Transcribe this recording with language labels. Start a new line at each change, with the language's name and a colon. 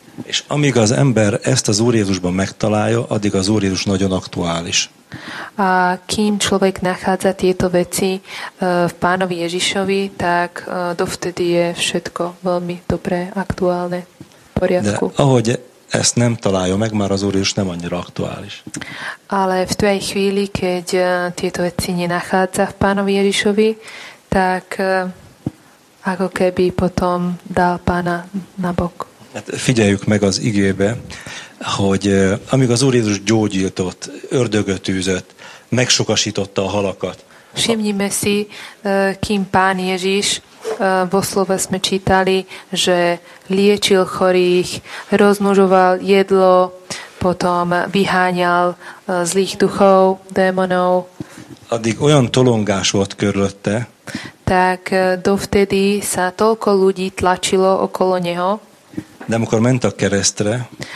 Hungarian: És amíg az ember ezt az Úr Jézusban megtalálja, addig az Úr Jézus nagyon aktuális.
Slovak: A kým človek nachádza tieto veci v Pánovi Ježišovi, tak dovtedy je všetko veľmi dobré, aktuálne, v poriadku.
Hungarian: De ahogy ezt nem találja meg, már az Úr Jézus nem annyira aktuális.
Slovak: Ale v tvej chvíli, keď tieto veci nenachádza v Pánovi Ježišovi, tak ako keby potom dal Pána na bok.
Hungarian: Hát figyeljük meg az igébe, hogy amíg az Úr Jézus gyógyított, ördögöt űzött, megsokasította a halakat,
Slovak: Všimnime si, kým pán Ježiš vo slove sme čítali, že liečil chorých, rozmnožoval jedlo, potom vyháňal zlých duchov, démonov.
Hungarian: Addig olyan tolongás volt körülötte.
Slovak: Tak dovtedy sa toľko ľudí tlačilo okolo neho.
Hungarian: De amikor ment a keresztre.